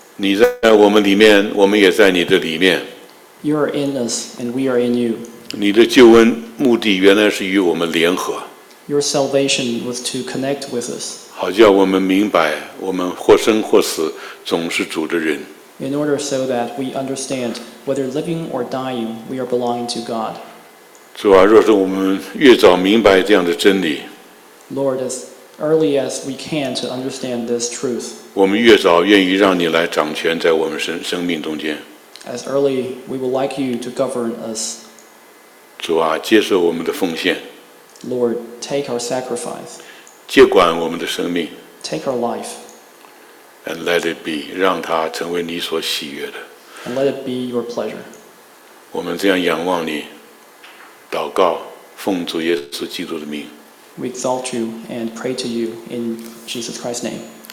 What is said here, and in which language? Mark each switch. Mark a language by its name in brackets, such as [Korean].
[Chinese] 你在我们里面，我们也在你的里面。 [English] You are in us, and we are in you. [Chinese] 你的救恩目的原来是与我们联合。 [English] Your salvation was to connect with us. [Chinese] 好叫我们明白，我们或生或死，总是主的人。 [English] In order so that we understand whether living or dying, we are belonging to God. [Chinese] 主啊，若是我们越早明白这样的真理， [English] Lord, as early as we can to understand this truth, [Chinese] 我们越早愿意让你来掌权在我们生命中间。 [English] As early we would like you to govern us. [Chinese] 主啊，接受我们的奉献。 [English] Lord, take our sacrifice. [Chinese] 接管我们的生命。 [English] Take our life. And let it be, [Chinese] 让它成为你所喜悦的。 [English] And let it be your pleasure. [Chinese] 我们这样仰望你。祷告，奉主耶稣基督的名。 [English] We exalt you and pray to you in Jesus Christ's name.